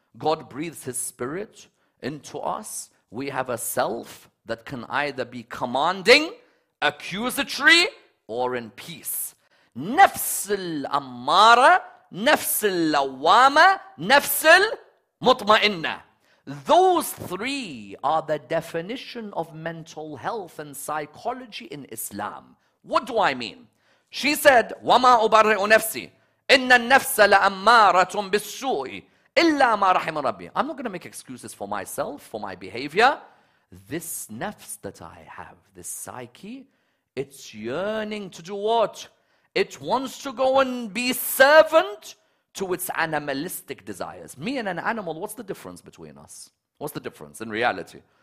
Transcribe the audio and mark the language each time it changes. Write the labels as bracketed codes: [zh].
[en] God breathes His spirit into us. We have a self that can either be commanding, accusatory, or in peace. Nafs al-ammara, nafs al-lawama, nafs al-mutma'inna. Those three are the definition of mental health and psychology in Islam. What do I mean? She said, [ar] وَمَا أُبَرِّئُ نَفْسِي إِنَّ النَّفْسَ لَأَمَّارَةٌ بِالسُّوءِ إِلَّا مَا رَحِمَ رَبِّي. [en] I'm not going to make excuses for myself, for my behavior. This nafs that I have, this psyche, it's yearning to do what? It wants to go and be servant to its animalistic desires. Me and an animal, what's the difference between us? What's the difference in reality?